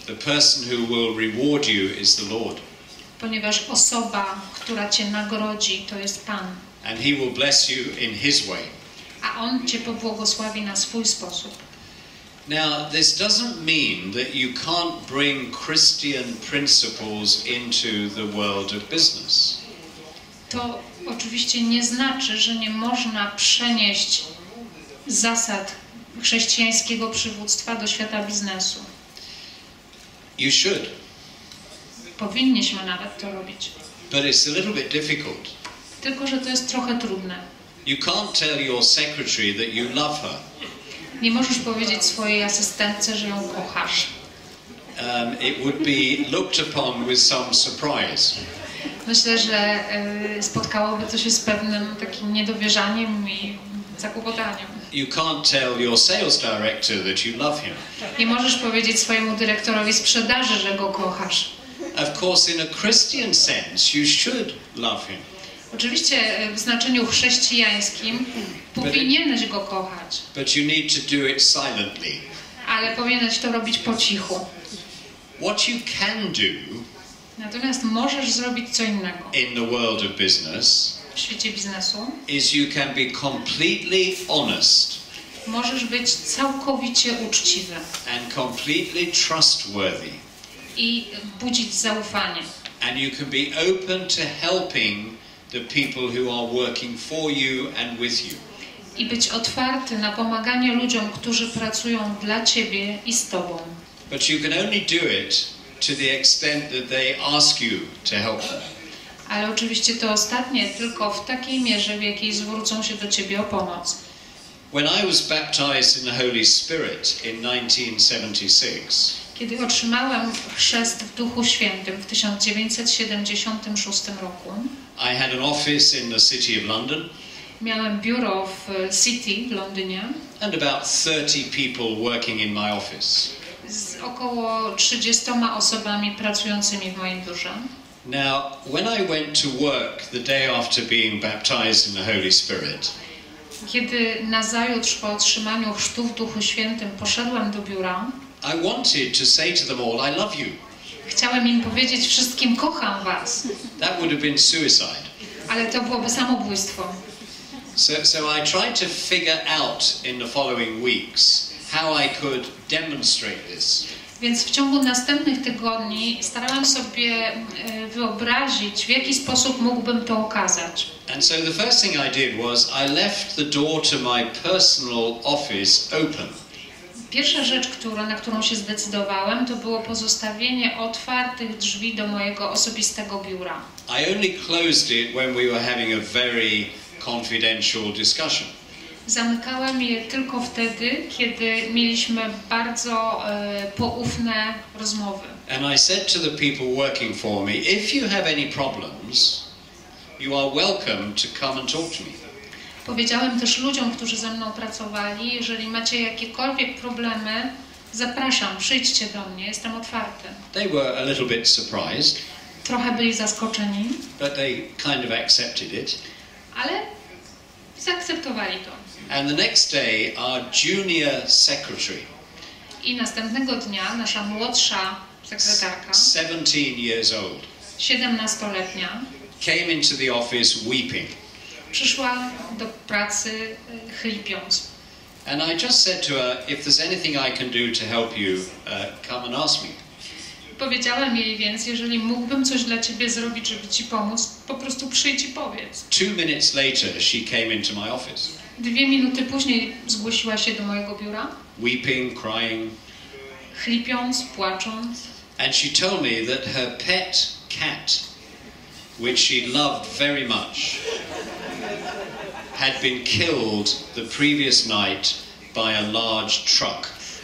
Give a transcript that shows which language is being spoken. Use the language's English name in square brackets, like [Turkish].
[English] The person who will reward you is the Lord. [Polish] Ponieważ osoba, która cię nagrodzi, to jest Pan. [English] And he will bless you in his way. [Polish] A on cię pobłogosławi na swój sposób. [English] Now, this doesn't mean that you can't bring Christian principles into the world of business. [Polish] To oczywiście nie znaczy, że nie można przenieść zasad chrześcijańskiego przywództwa do świata biznesu. [English] You should. [Polish] Powinniśmy nawet to robić. [English] But it's a little bit difficult. [Polish] Tylko że to jest trochę trudne. [English] You can't tell your secretary that you love her. [Polish] Nie możesz powiedzieć swojej asystentce, że ją kochasz. [English] It would be looked upon with some surprise. [Polish] Myślę, że spotkałoby to się z pewnym takim niedowierzaniem i zakłopotaniem. [English] You can't tell your sales director that you love him. [Polish] Nie możesz powiedzieć swojemu dyrektorowi sprzedaży, że go kochasz. [English] Of course, in a Christian sense, you should love him. [Polish] Oczywiście w znaczeniu chrześcijańskim powinieneś go kochać. [English] But you need to do it silently. [Polish] Ale powinieneś to robić po cichu. [English] What you can do. [Polish] Natomiast możesz zrobić co innego. [English] In the world of business. [Polish] W świecie biznesu. [English] Is you can be completely honest. [Polish] Możesz być całkowicie uczciwy. [English] And completely trustworthy. [Polish] I budzić zaufanie. [English] And you can be open to helping the people who are working for you and with you. [Polish] I być otwarty na pomaganie ludziom, którzy pracują dla ciebie i z tobą. [English] But you can only do it to the extent that they ask you to help them. [Polish] Ale oczywiście to ostatnie tylko w takiej mierze, w jakiej zwrócą się do ciebie o pomoc. [English] When I was baptized in the Holy Spirit in 1976. [Polish] Kiedy otrzymałem chrzest w Duchu Świętym w 1976 roku. [English] I had an office in the city of London. [Polish] Miałem biuro w City, w Londynie. [English] And about 30 people working in my office. [Polish] Z około 30 osobami pracującymi w moim biurze. [English] Now, when I went to work the day after being baptized in the Holy Spirit. [Polish] Kiedy nazajutrz po otrzymaniu chrztu w Duchu Świętym poszedłem do biura. [English] I wanted to say to them all, I love you. [Polish] Chciałem im powiedzieć wszystkim, kocham was. [English] That would have been suicide. [Polish] Ale to byłoby samobójstwo. [English] So I tried to figure out in the following weeks how I could demonstrate this. [Polish] Więc w ciągu następnych tygodni starałem sobie wyobrazić, w jaki sposób mógłbym to okazać. [English] And so the first thing I did was I left the door to my personal office open. [Polish] Pierwsza rzecz, na którą się zdecydowałem, to było pozostawienie otwartych drzwi do mojego osobistego biura. [English] I only closed it when we were having a very confidential discussion. [Polish] Zamykałem je tylko wtedy, kiedy mieliśmy bardzo poufne rozmowy. [English] And I said to the people working for me, if you have any problems, you are welcome to come and talk to me. [Polish] Powiedziałem też ludziom, którzy ze mną pracowali, jeżeli macie jakiekolwiek problemy, zapraszam, przyjdźcie do mnie, jestem otwarty. [English] They were a little bit surprised. [Polish] Trochę byli zaskoczeni. [English] But they kind of accepted it. [Polish] Ale zaakceptowali to. [English] And the next day our junior secretary. [Polish] I następnego dnia nasza młodsza sekretarka. [English] 17 years old. [Polish] 17-letnia. [English] Came into the office weeping. [Polish] Przyszła do pracy chlipiąc. [English] And I just said to her, if there's anything I can do to help you, come and ask me. [Polish] Powiedziałem jej więc, jeżeli mógłbym coś dla ciebie zrobić, żeby ci pomóc, po prostu przyjdź i powiedz. [English] 2 minutes later she came into my office. [Polish] 2 minuty później zgłosiła się do mojego biura. [English] Weeping, crying. [Polish] Chlipiąc, płacząc. [English] And she told me that her pet cat, which she loved very much, had been killed the previous night by a large truck.